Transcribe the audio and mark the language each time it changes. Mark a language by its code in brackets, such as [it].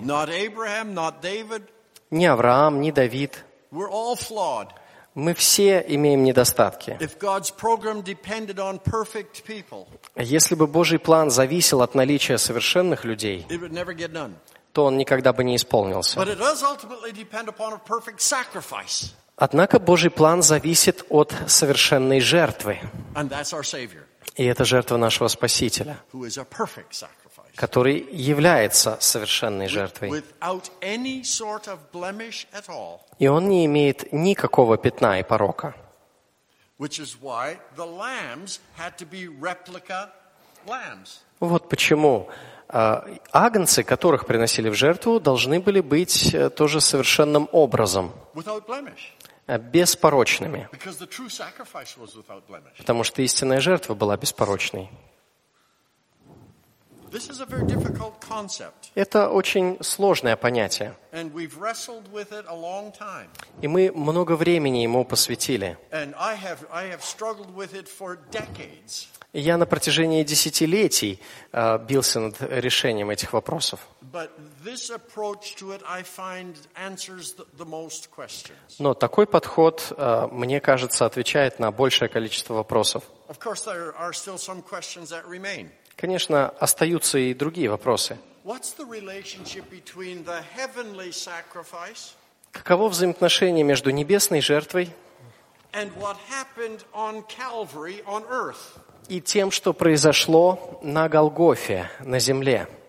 [en] Not Abraham, not David. [ru] Ни Авраам, ни Давид. [en] We're all flawed. [ru] Мы все имеем недостатки. [en] If God's program depended on perfect people, [ru] если бы Божий план зависел от наличия совершенных людей, [en] it would never get done. [ru] То он никогда бы не исполнился. [en] But it does ultimately depend upon a perfect sacrifice. [ru] Однако Божий план зависит от совершенной жертвы. [en] And that's our Savior, [ru] и это жертва нашего Спасителя, [en] who is a perfect sacrifice, [ru] который является совершенной жертвой. [en] Without any sort of blemish at all, [ru] и он не имеет никакого пятна и порока. [en] Which is why the lambs had to be replica lambs. [ru] Вот почему агнцы, которых приносили в жертву, должны были быть тоже совершенным образом. [en] Without blemish. [ru] Беспорочными. [en] Because the true sacrifice was without blemish. [ru] Потому что истинная жертва была беспорочной. [en] This is a very difficult concept. [ru] Это очень сложное понятие. [en] And we've wrestled with it a long time. [ru] И мы много времени ему посвятили. [en] And I have struggled with it for decades. [ru] Я на протяжении десятилетий бился над решением этих вопросов. [en] But this approach to it, I find, answers the most questions. [ru] Но такой подход, мне кажется, отвечает на большее количество вопросов. [en] Of course, there are still some questions that remain. [ru] Конечно, остаются и другие вопросы. [en] What's the relationship between the heavenly sacrifice? [ru] Каково взаимоотношение между небесной жертвой [en] and what happened on Calvary on earth? [ru] И тем, что произошло на Голгофе, на земле.